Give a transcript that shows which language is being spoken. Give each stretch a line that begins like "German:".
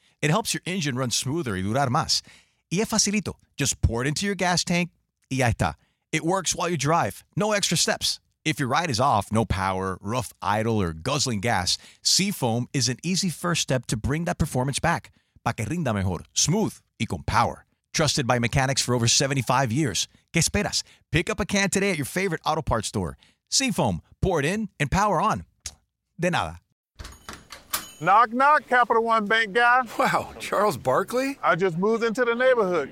English: It helps your engine run smoother
Spanish: y durar más. Y es facilito.
English: Just pour it into your gas tank
Spanish: y ya está.
English: It works while you drive. No extra steps. If your ride is off, no power, rough idle, or guzzling gas, Seafoam is an easy first step to bring that performance back.
Spanish: Pa' que rinda mejor, smooth, y con power.
English: Trusted by mechanics for over 75 years.
Spanish: ¿Qué esperas?
English: Pick up a can today at your favorite auto parts store. Seafoam, pour it in and power on.
Spanish: De nada.
English: Knock, knock, Capital One Bank guy. Wow, Charles Barkley? I just moved into the neighborhood.